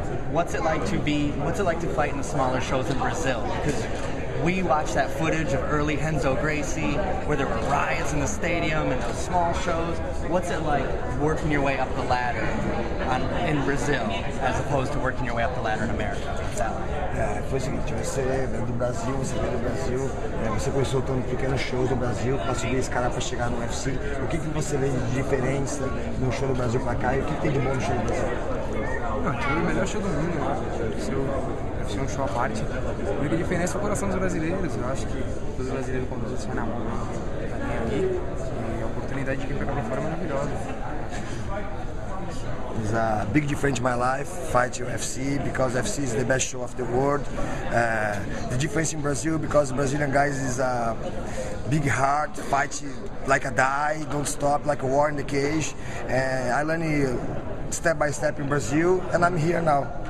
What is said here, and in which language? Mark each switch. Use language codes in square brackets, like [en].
[en] What's it like to fight in the smaller shows in Brazil? Because we watched that footage of early Renzo Gracie where there were riots in the stadium and those small shows. What's it like working your way up the ladder in Brazil as opposed to working your way up the ladder in America? [pt] Foi o seguinte, você vem do Brasil, você vem do Brasil, você começou tendo pequenos shows no Brasil para subir a escala para chegar no UFC. O que, que você vê de diferença no show do Brasil para cá e o que, que tem de bom no show do Brasil? Não, tive o melhor show do mundo, né? O UFC é um show à parte. A única diferença é o coração dos brasileiros. Eu acho que todo brasileiro, quando você sai na mão, está bem aqui. E a oportunidade de vir para cá fora é maravilhosa. [en] It's a big difference in my life, fight UFC, because UFC is the best show of the world. The difference in Brazil, because Brazilian guys is a big heart, fight like a die, don't stop, like a war in the cage. I learned step by step in Brazil, and I'm here now.